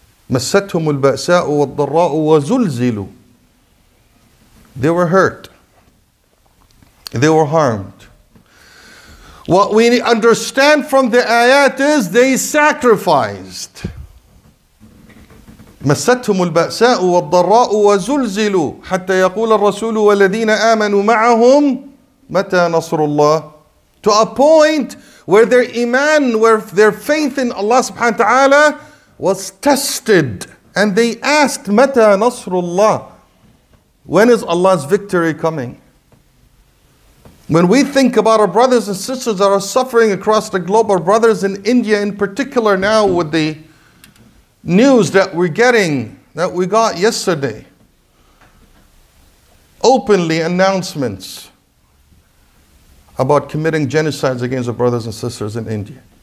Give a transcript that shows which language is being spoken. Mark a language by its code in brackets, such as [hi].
[ar] مَسَّتْهُمُ الْبَأْسَاءُ وَالضَّرَّاءُ وَزُلْزِلُوا. [en] They were hurt. They were harmed. What we understand from the ayat is they sacrificed. [ar] مستهم البأساء والضراء وزلزلوا حتى يقول الرسول والذين آمنوا معهم متى نصر الله. [en] To a point where their iman, where their faith in Allah subhanahu wa ta'ala was tested. And they asked, [ar] متى نصر الله? [en] When is Allah's victory coming? When we think about our brothers and sisters that are suffering across the globe, our brothers in India in particular now with the news that we're getting, that we got yesterday, openly announcements about committing genocides against our brothers and sisters in India.